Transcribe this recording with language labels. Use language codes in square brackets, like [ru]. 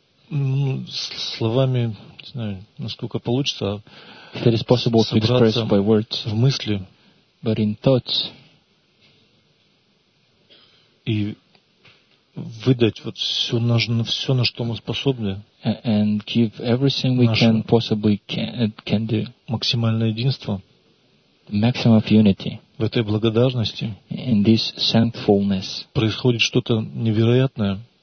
[ru] Ну, словами, не знаю, насколько получится, [en] if it is possible to express by words, [ru] в мысли, [en] but in thoughts, [ru] и выдать вот все, все на что мы способны, [en] and give everything we can possibly can do, [ru] максимальное единство, [en] maximum of unity. [ru] В этой благодарности [en] in this thankfulness, [ru] происходит что-то невероятное.